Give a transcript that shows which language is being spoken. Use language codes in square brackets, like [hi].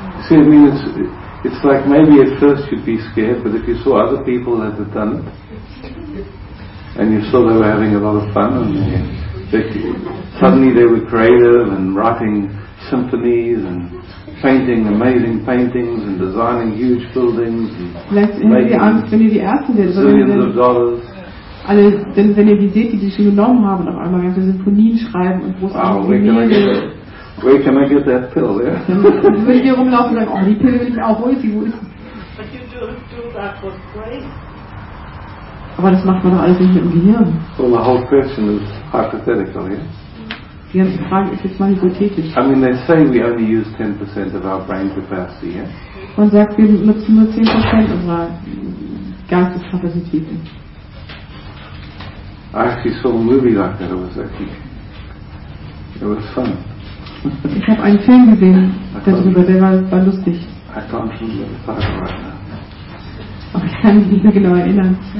[en] See, I mean, it's like maybe at first you'd be scared, but if you saw other people that had done it, and you saw they were having a lot of fun, and suddenly they were creative and writing symphonies and painting amazing paintings and designing huge buildings and making [de] Alle, denn wenn ihr die seht, die sie schon genommen haben, und auf einmal ganze Symphonien schreiben und große [en] Where can I get that pill, yeah? [de] Dann würde ich hier rumlaufen und sagen, oh, die Pille will ich auch, wo ist sie? [en] But you do that with brain. [de] Aber das macht man doch alles nicht mit dem Gehirn. [en] Well, the whole question is hypothetical, yeah? [de] Die ganze Frage ist jetzt mal hypothetisch. [en] I mean, they say we only use 10% of our brain capacity, yeah? [de] Man sagt, wir nutzen nur 10% unserer Geisteskapazitäten. [en] I actually saw a movie like that, it was actually... It was fun. [de] Ich habe einen Film gesehen darüber, der war lustig. [en] I can't remember the title right now. [de] Aber ich kann mich nicht mehr genau erinnern.